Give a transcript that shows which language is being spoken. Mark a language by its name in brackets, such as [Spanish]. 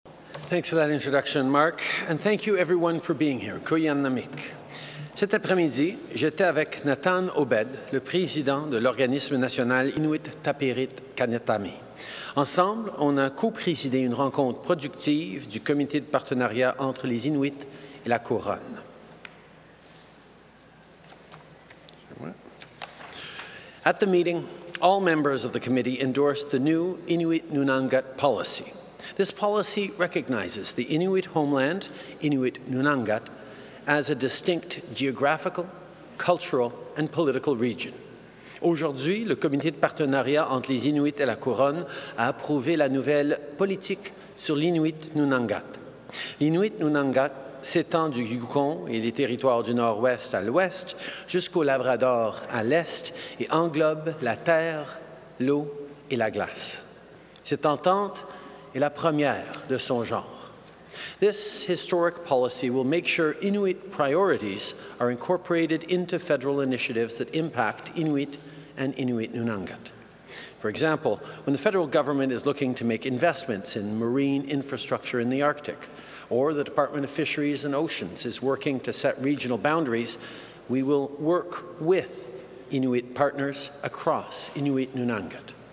[English] Thanks for that introduction, Mark, and thank you everyone for being here. Koyan Namik. [French] Cet après-midi, j'étais avec Nathan Obed, le président de l'organisme national Inuit Tapirit Kanetami. Ensemble, on a co-présidé une rencontre productive du comité de partenariat entre les Inuits et la Couronne. [English] At the meeting, all members of the committee endorsed the new Inuit Nunangat policy. This policy recognizes the Inuit homeland, Inuit Nunangat, as a distinct geographical, cultural, and political region. [French] Aujourd'hui, le comité de partenariat entre les Inuits et la Couronne a approuvé la nouvelle politique sur l'Inuit Nunangat. L'Inuit Nunangat s'étend du Yukon et les territoires du Nord-Ouest à l'Ouest jusqu'au Labrador à l'Est et englobe la terre, l'eau et la glace. Cette entente est la première de son genre. [English] This historic policy will make sure Inuit priorities are incorporated into federal initiatives that impact Inuit and Inuit Nunangat. For example, when the federal government is looking to make investments in marine infrastructure in the Arctic, or the Department of Fisheries and Oceans is working to set regional boundaries, we will work with Inuit partners across Inuit Nunangat.